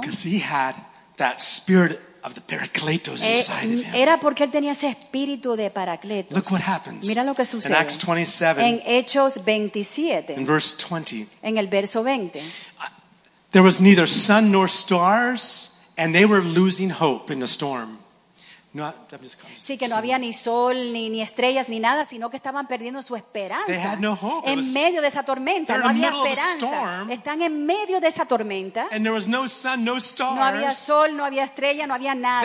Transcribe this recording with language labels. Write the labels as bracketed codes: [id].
[en] Because he had that spirit of the paracletos inside of him. [es] Era porque él tenía ese espíritu de paracletos. [en] Look what happens. [es] Mira lo que sucede. [en] In Acts 27. [es] En Hechos 27. [en] In verse 20. [es] En el verso 20. [en] There was neither sun nor stars, and they were losing hope in the storm. No, I'm just coming. [es] Sí, que no había ni sol, ni estrellas, ni nada, sino que estaban perdiendo su esperanza. [en] They had no hope. [es] En medio de esa tormenta, no había esperanza. Están en medio de esa tormenta. [en] And there was no sun, no stars. [es] No había sol, no había estrella, no había nada.